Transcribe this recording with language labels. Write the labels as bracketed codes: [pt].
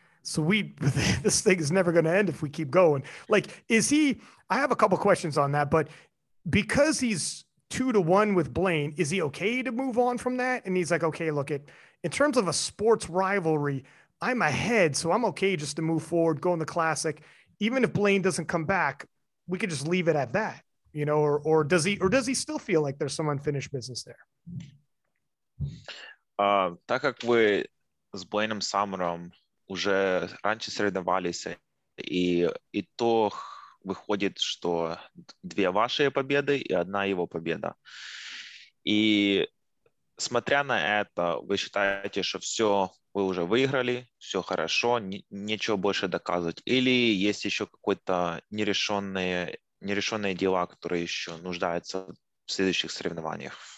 [en] So this thing is never going to end if we keep going. Like, I have a couple questions on that, but because he's 2-1 with Blaine, is he okay to move on from that? And he's like, okay, look, in terms of a sports rivalry, I'm ahead, so I'm okay just to move forward, go in the classic. Even if Blaine doesn't come back, we could just leave it at that, you know, or does he still feel like there's some unfinished business there? [ru] Так как [uk] ви з Блейном Саммером уже раніше соревновалися, і ітог виходить, що дві ваші победы і одна його победа. [ru] І смотря на это, ви считаете, що все. Вы уже выиграли, все хорошо, ничего больше доказывать. Или есть еще какие-то нерешенные дела, которые еще нуждаются в следующих соревнованиях?